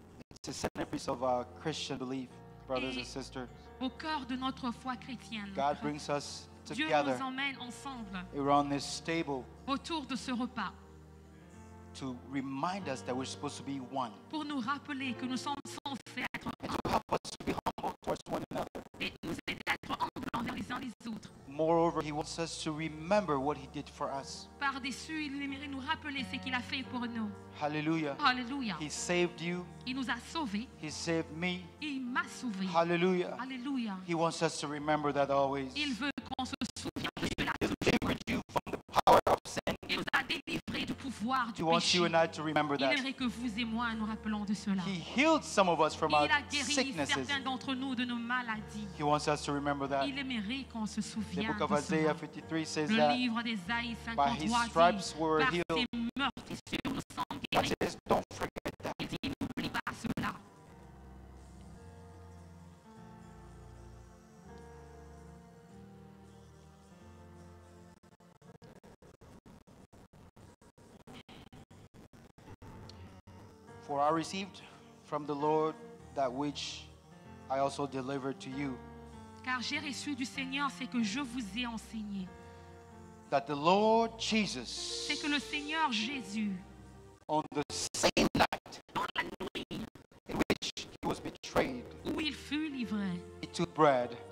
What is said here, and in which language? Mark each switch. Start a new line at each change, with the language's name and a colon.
English: It's a centerpiece of our Christian belief, brothers and sisters.
French: Au cœur de notre foi chrétienne.
English: God brings us together.
French: Dieu nous emmène ensemble.
English: Around this table.
French: Autour de ce repas.
English: To remind us that we're supposed to be one.
French: Pour nous rappeler que nous sommes censés être un.
English: And to help us to be humble towards one another.
French: Et nous aider à être humbles envers les uns les autres.
English: Moreover, he wants us to remember what he did for us.
French: Par-dessus, il aimerait nous rappeler ce qu'il a fait pour nous. Hallelujah. Hallelujah.
English: He saved you.
French: Il nous a sauvés.
English: He saved me.
French: Il m'a sauvé. Hallelujah. Hallelujah.
English: He wants us to remember that always.
French: Il veut qu'on se souvienne de cela.
English: He delivered you from the power of sin.
French: Il nous a délivré du pouvoir du péché.
English: He wants you and I to remember that.
French: Il aimerait que vous et moi nous rappelons de cela.
English: He healed some of us from our sicknesses.
French: Il a guéri certains d'entre nous de nos maladies.
English: He wants us to remember that.
French: Il aimerait qu'on se souvienne.
English: The book of Isaiah 53 says
French: that. Le livre d'Ésaïe 53 dit.
English: By his stripes we were healed. For I received from the Lord that which I also delivered to you.
French: Car j'ai reçu du Seigneur ce que je vous ai enseigné.
English: That the Lord Jesus.
French: C'est que le Seigneur Jésus.
English: On the same night.
French: Dans la nuit.
English: In which he was betrayed.
French: Où il fut livré.
English: He took bread.